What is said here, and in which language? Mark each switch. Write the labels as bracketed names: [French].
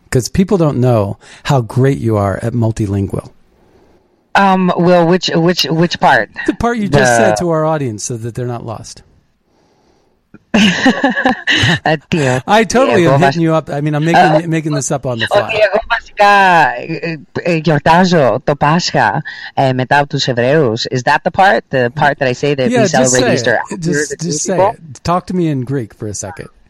[English] Because people don't know how great you are at multilingual. Well, which part? The part you just said to our audience so that they're not lost. I totally am hitting you up. I mean, I'm making this up on the fly. [Greek] Okay, εγώ βασικά γιορτάζω το Πάσχα μετά τους Εβραίους. [English] Is that the part that I say that we celebrate Easter after the Jewish people? Just say it. Talk to me in Greek for a second.